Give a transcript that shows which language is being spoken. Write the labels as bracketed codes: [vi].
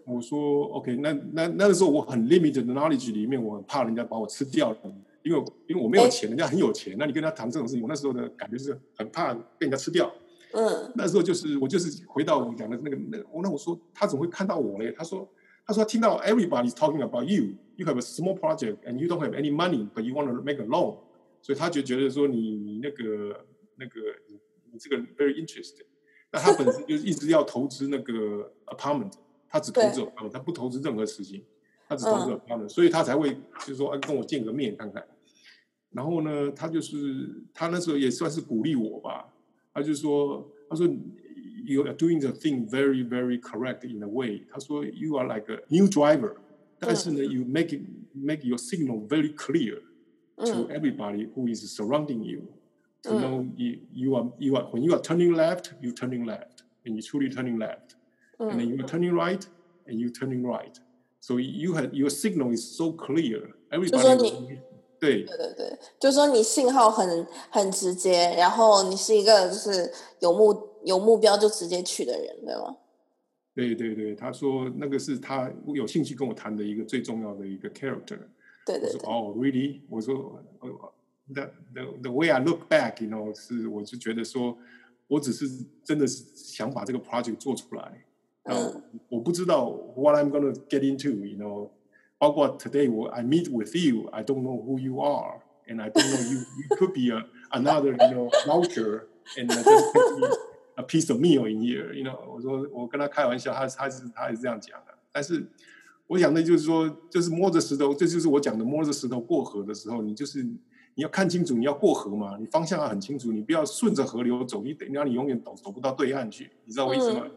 [zh] 我说 OK， 那个时候我很 limited knowledge 里面，我很怕人家把我吃掉了，因为我没有钱，人家很有钱，那你跟他谈这种事情，我那时候的感觉是很怕被人家吃掉。嗯，那时候我就是回到我讲的那我说他怎么会看到我嘞？他说他听到 [en] everybody is talking about you。 You have a small project and you don't have any money, but you want to make a loan. [zh] 所以他就觉得说你这个 [en] very interesting. [zh] 那他本身就一直要投资那个 apartment， 他只投资 apartment， 他不投资任何事情，他只投资 apartment，、嗯、所以他才会就是说、啊、跟我见个面看看。然后呢，他就是他那时候也算是鼓励我吧，他就说 [en] you are doing the thing very very correct in a way. [zh] 他说 [en] you are like a new driver. [zh] 但是呢 [en] you make your signal very clear to everybody who is surrounding you to know you are, when you are turning left, you're turning left, and you're truly turning left. And then you're turning right, and you're turning right. So your signal is so clear. Everybody [zh] 就说你对，就说你信号 很直接，然后你是一个就是有目标就直接去的人，对吗？对对对，他说那个是他有兴趣跟我谈的一个最重要的一个 character。对对对。我说哦、， [en] really？ [zh] 我说 [en] the way I look back， you know， [zh] 是我就觉得说，我只是真的是想把这个 project 做出来。嗯。我不知道 [en] what I'm gonna get into， you know， 包括 today I meet with you， I don't know who you are， and I don't know you could be another you know voucher and just pick me。 A piece of meal in here, you know. [zh] 我说我跟他开玩笑，他是这样讲的。但是我想的就是说，就是摸着石头，这就是我讲的摸着石头过河的时候，你要看清楚你要过河嘛，你方向要很清楚，你不要顺着河流走，你永远走不到对岸去，你知道为什么？